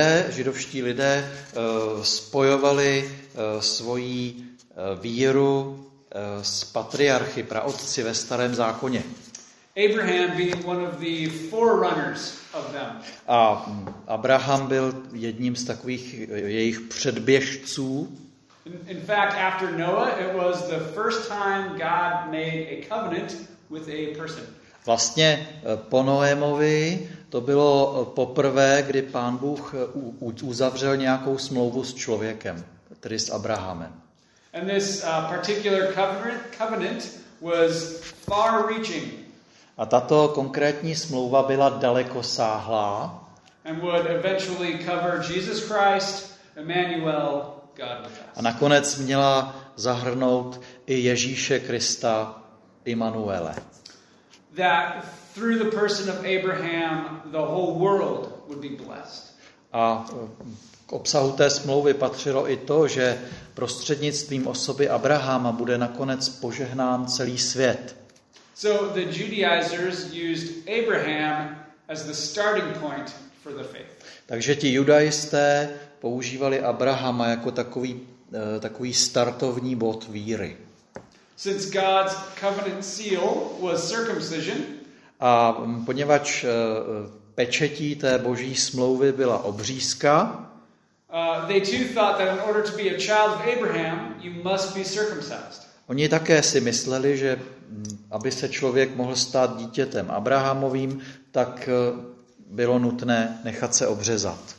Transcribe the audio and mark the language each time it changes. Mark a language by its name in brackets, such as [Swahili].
[Czech] Židovští lidé spojovali svoji víru s patriarchy, praotci ve Starém zákoně. [English] Abraham being one of the forerunners of them. [Czech] A Abraham byl jedním z takových jejich předběžců. [English] In fact, after Noah, it was the first time God made a covenant with a person. [Czech] Vlastně po Noémovi to bylo poprvé, kdy Pán Bůh uzavřel nějakou smlouvu s člověkem, tedy s Abrahamem. [English] And this particular covenant was far-reaching. [Czech] A tato konkrétní smlouva byla dalekosáhlá. [English] And would eventually cover Jesus Christ, Emmanuel, God with us. [Czech] A nakonec měla zahrnout i Ježíše Krista, Immanuele. [English] That through the person of Abraham, the whole world would be blessed. [Czech] A k obsahu té smlouvy patřilo i to, že prostřednictvím osoby Abrahama bude nakonec požehnán celý svět. [English] So the Judaizers used Abraham as the starting point for the faith. [Czech] Takže ti judaisté používali Abrahama jako takový startovní bod víry. [English] Since God's covenant seal was circumcision, [Czech] a poněvadž pečetí té boží smlouvy byla obřízka, [English] they too thought that in order to be a child of Abraham, you must be circumcised. [Czech] Oni také si mysleli, že aby se člověk mohl stát dítětem Abrahamovým, tak bylo nutné nechat se obřezat.